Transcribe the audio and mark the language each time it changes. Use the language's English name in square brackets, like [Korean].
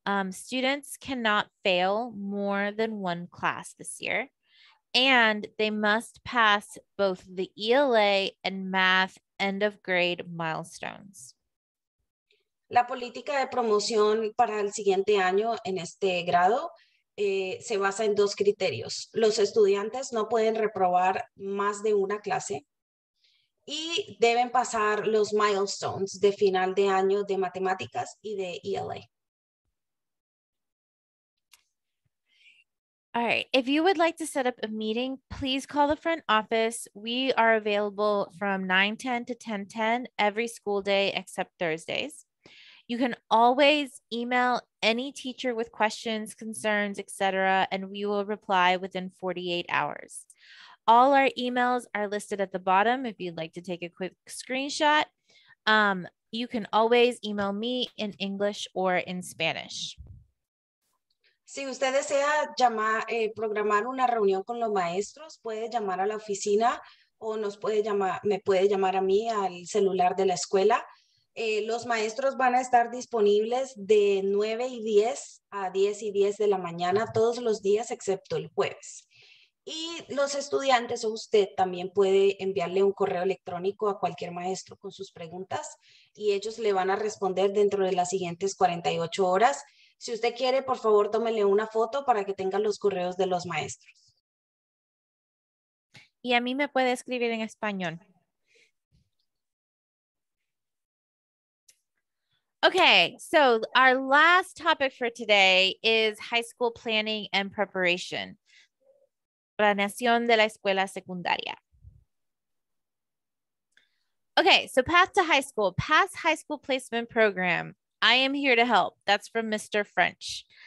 [English] Students cannot fail more than 1 class this year, and they must pass both the ELA and math end of grade milestones. [Spanish] La política de promoción para el siguiente año en este grado se basa en 2 criterios. Los estudiantes no pueden reprobar más de 1 clase y deben pasar los milestones de final de año de matemáticas y de ELA. [English] All right, if you would like to set up a meeting, please call the front office. We are available from 9:10 to 10:10 every school day except Thursdays. You can always email any teacher with questions, concerns, etc., and we will reply within 48 hours. All our emails are listed at the bottom if you'd like to take a quick screenshot. You can always email me in English or in Spanish. [Spanish] Si usted desea programar una reunión con los maestros, puede llamar a la oficina o me puede llamar a mí al celular de la escuela. Los maestros van a estar disponibles de 9 y 10 a 10 y 10 de la mañana todos los días excepto el jueves. Y los estudiantes o usted también puede enviarle un correo electrónico a cualquier maestro con sus preguntas y ellos le van a responder dentro de las siguientes 48 horas. Si usted quiere, por favor, tómele una foto para que tenga los correos de los maestros. Y a mí me puede escribir en español. [English] Okay, so our last topic for today is high school planning and preparation. [Spanish] Planeación de la escuela secundaria. [English] Okay, so path to high school. Pass high school placement program. I am here to help. That's from Mr. French.